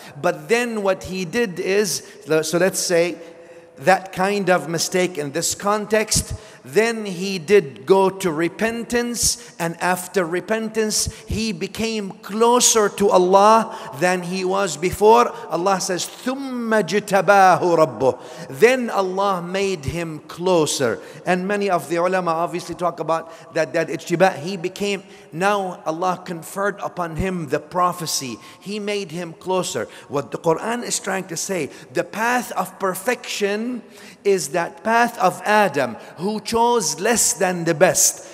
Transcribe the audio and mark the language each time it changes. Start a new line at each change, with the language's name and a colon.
English: But then what he did is, so let's say that kind of mistake in this context, then he did go to repentance, and after repentance he became closer to Allah than he was before. Allah says,
Arabic: ثُمَّ جِتَبَاهُ رَبُّهُ.
English: Then Allah made him closer. And many of the ulama obviously talk about that ijtiba. He became, now Allah conferred upon him the prophecy. He made him closer. What the Quran is trying to say, the path of perfection is that path of Adam, who chose less than the best.